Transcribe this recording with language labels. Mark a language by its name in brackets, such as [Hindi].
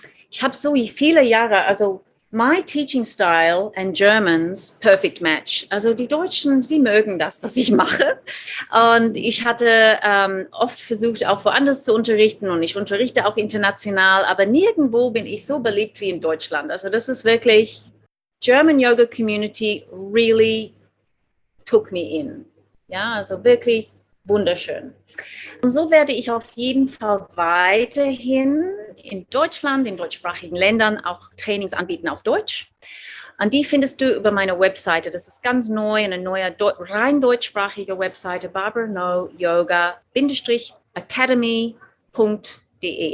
[German] Ich habe so viele Jahre, also [English] my teaching style and Germans, perfect match. [German] Also die Deutschen, sie mögen das, was ich mache. Und ich hatte oft versucht, auch woanders zu unterrichten und ich unterrichte auch international, aber nirgendwo bin ich so beliebt wie in Deutschland. Also das ist wirklich, [English] German Yoga Community really took me in. [German] Ja, also wirklich wunderschön. Und so werde ich auf jeden Fall weiterhin in Deutschland, in deutschsprachigen Ländern, auch Trainings anbieten auf Deutsch. Und die findest du über meine Webseite. Das ist ganz neu, eine neue rein deutschsprachige Webseite, barbaranoyoga-academy.de.